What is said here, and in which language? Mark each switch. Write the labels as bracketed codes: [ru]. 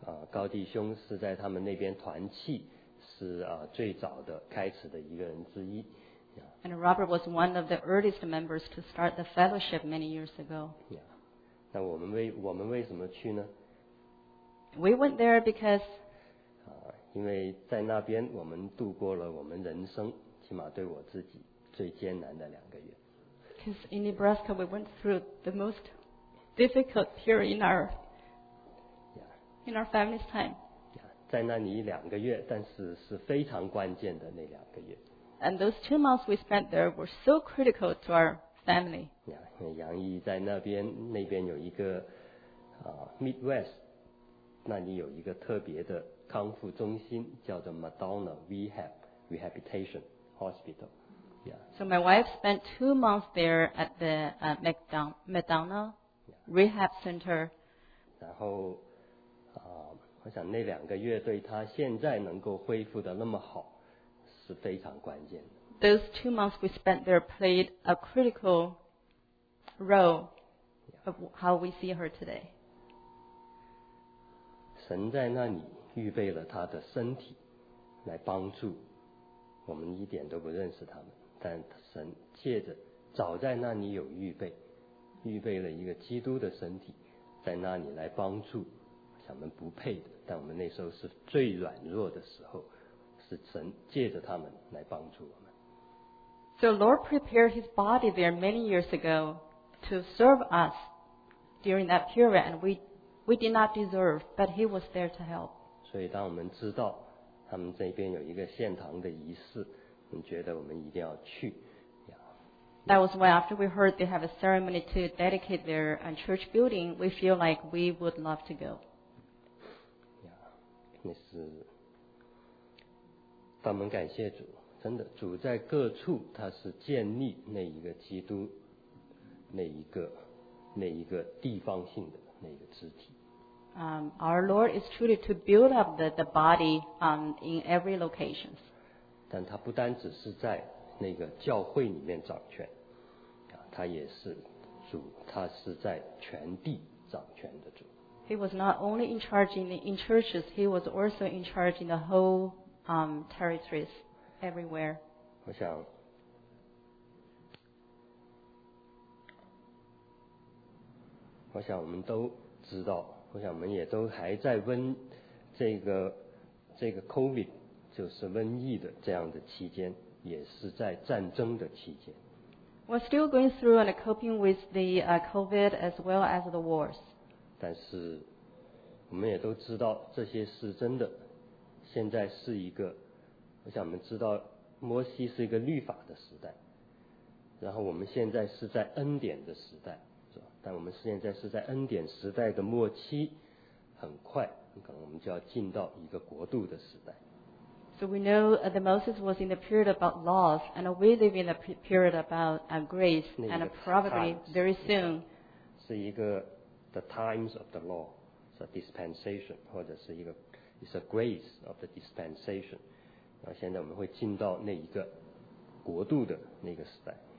[zh] 高弟兄是在他们那边团契是最早的开始的一个人之一。 [en] And Robert was one of the earliest members to start the fellowship many years ago。 [zh] 那我们为什么去呢 [en] ？We went there because。 [zh] 因为在那边我们度过了我们人生起码对我自己最艰难的两个月。 [en] Because in Nebraska we went through the most difficult period in our family's time. [zh] 在那里两个月，但是是非常关键的那两个月。 [en] And those 2 months we spent there were so critical to our family. [zh] 杨毅在那边有一个Midwest， 那里有一个特别的康复中心，叫做 Madonna Rehabilitation Hospital。 [en] So my wife spent 2 months there at the McDonald Rehab Center. [zh] 然后，我想那两个月对她现在能够恢复的那么好，是非常关键的。 [en] Those 2 months we spent there played a critical role of how we see her today. [zh] 神在那里预备了他的身体来帮助我们，一点都不认识他们。但神借着早在那里有预备了一个基督的身体在那里来帮助我们不配的，但我们那时候是最软弱的时候，是神借着他们来帮助我们。 [en] So Lord prepared his body there many years ago to serve us during that period, and we did not deserve, but he was there to help. [zh] 所以当我们知道他们这边有一个献堂的仪式，我们觉得我们一定要去。 [en] That was why after we heard they have a ceremony to dedicate their church building, we feel like we would love to go. [zh] 那是，但我们感谢主，真的，主在各处，他是建立那一个基督，那一个地方性的那个肢体。 [en] Our Lord is truly to build up the body in every location. [zh] 但他不单只是在那个教会里面掌权，他也是主，他是在全地掌权的主。 [en] He was not only in charge in churches, he was also in charge in the whole territories everywhere. [zh] 我想我们都知道，我想我们也都还在瘟这个 COVID 就是瘟疫的这样的期间，也是在战争的期间。 [en] We're still going through and coping with the COVID as well as the wars. [zh] 但是我们也都知道这些是真的。现在是一个，我想我们知道摩西是一个律法的时代，然后我们现在是在恩典的时代。但我们现在是在恩典时代的末期，很快可能我们就要进到一个国度的时代。 [en] So we know that Moses was in the period about laws, and we live in the period about grace, and probably very soon [zh] 是一个 [en] the times of the law, it's a dispensation, [zh] 或者是一个 [en] it's a grace of the dispensation. [zh] 然后现在我们会进到那一个国度的那个时代。